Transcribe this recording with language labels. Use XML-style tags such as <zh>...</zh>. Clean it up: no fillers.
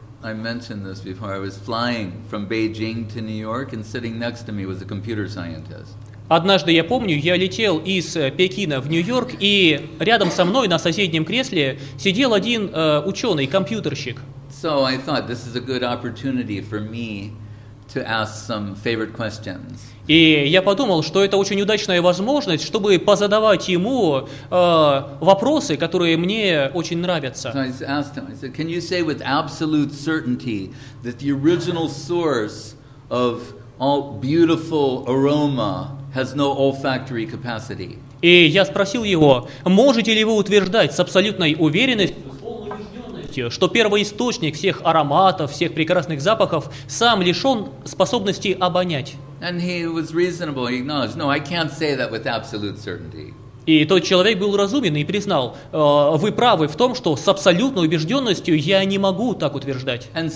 <en>I mentioned this before. I was flying from Beijing to New York, and sitting next to me was a computer scientist.</en> <ru>Однажды я помню, я летел из Пекина в Нью-Йорк, и рядом со мной на соседнем кресле сидел один ученый, компьютерщик.</ru> <en>So I thought this is a good opportunity for me to ask some favorite questions.</en> <ru>И я подумал, что это очень удачная возможность, чтобы позадавать ему вопросы, которые мне очень нравятся.</ru> <en>So I asked him, I said, can you say with absolute certainty that the original source of all beautiful aroma has no olfactory capacity?</en> <ru>И я спросил его, можете ли вы утверждать с абсолютной уверенностью, что первоисточник всех ароматов, всех прекрасных запахов сам лишен способности обонять. И тот человек был разумен и признал, вы правы в том, что с абсолютной убежденностью я не могу так утверждать.</ru>